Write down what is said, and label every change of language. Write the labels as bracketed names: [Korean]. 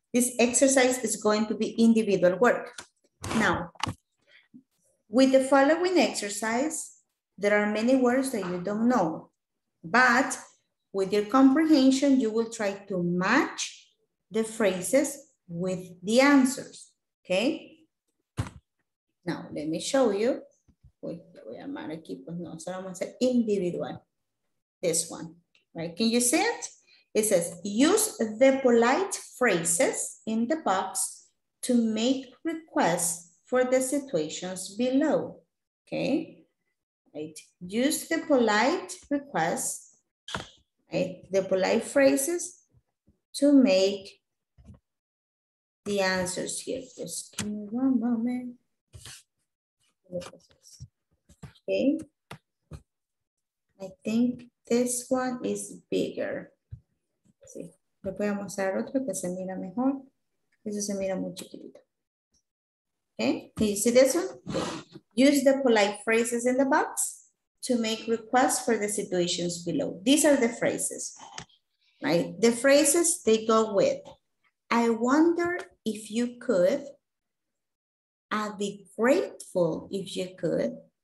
[English] This exercise is going to be individual work. Now, with the following exercise, there are many words that you don't know, but with your comprehension, you will try to match the phrases with the answers, okay? Now, let me show you. [Spanish] Uy, voy a llamar aquí, pues no, solo vamos a hacer individual. [English] This one, right? Can you see it? It says, use the polite phrases in the box to make requests for the situations below, okay? Right, use the polite requests, right? The polite phrases to make the answers here. Just give me one moment. Okay, I think this one is bigger. [Spanish] Sí, le voy a mostrar otro que se mira mejor. Eso se mira muy chiquitito. [English] Okay, can you see this one? Okay. Use the polite phrases in the box to make requests for the situations below. These are the phrases, right? The phrases they go with, I wonder if you could, I'd be grateful if you could.